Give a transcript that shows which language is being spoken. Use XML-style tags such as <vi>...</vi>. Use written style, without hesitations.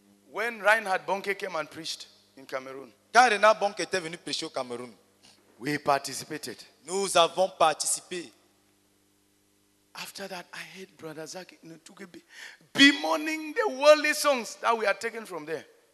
<en>When Reinhard Bonnke came and preached in Cameroon.</en> <fr>Quand Reinhard Bonnke était venu prêcher au Cameroun.</fr> <en>We participated.</en> <fr>Nous avons participé.</fr> <en>After that, I heard Brother Zaki bemoaning the worldly songs that we had taken from there.</en>